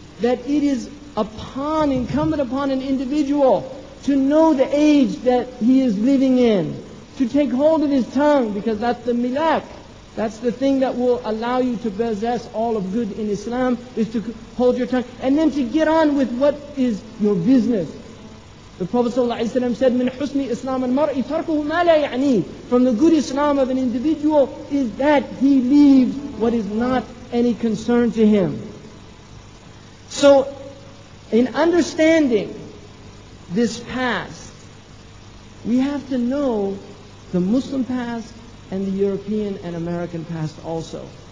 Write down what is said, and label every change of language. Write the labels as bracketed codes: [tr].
[en] That it is upon, incumbent upon an individual to know the age that he is living in, to take hold of his tongue, because that's the milak. That's the thing that will allow you to possess all of good in Islam, is to hold your tongue. And then to get on with what is your business. The Prophet ﷺ said, [ar] مِنْ حُسْنِ إِسْلَامَ الْمَرْءِ تَرْكُهُ مَا لَا يَعْنِي. [en] From the good Islam of an individual is that he leaves what is not any concern to him. So, in understanding this past, we have to know the Muslim past and the European and American past also.